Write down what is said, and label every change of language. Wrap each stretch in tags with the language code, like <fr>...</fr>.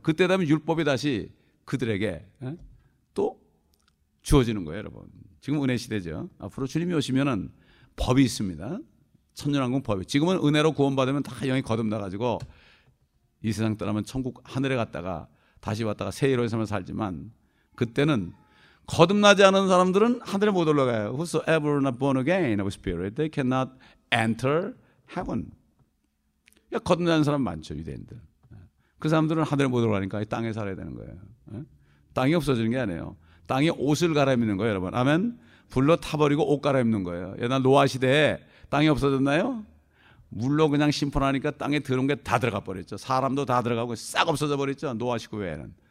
<ko>그때 되면 율법이 다시 그들에게 또 주어지는 거예요, 여러분. 지금 은혜 시대죠. 앞으로 주님이 오시면은 법이 있습니다. 천년왕국 법이. 지금은 은혜로 구원받으면 다 영이 거듭나가지고 이 세상 떠나면 천국 하늘에 갔다가 다시 왔다가 새 예루살렘에 살지만 그때는 거듭나지 않은 사람들은 하늘에 못 올라가요.</ko> <en>Whosoever not born again of spirit, they cannot enter heaven.</en> <ko>그러니까 거듭나는 사람 많죠, 유대인들. 그 사람들은 하늘에 못 올라가니까 땅에 살아야 되는 거예요. 땅이 없어지는 게 아니에요. 땅이 옷을 갈아입는 거예요, 여러분. 아멘. 불로 타버리고 옷 갈아입는 거예요. 옛날 노아 시대에 땅이 없어졌나요? 물로 그냥 심판하니까 땅에 들어온 게 다 들어가 버렸죠. 사람도 다 들어가고 싹 없어져 버렸죠. 노아 시구 외에는.</ko>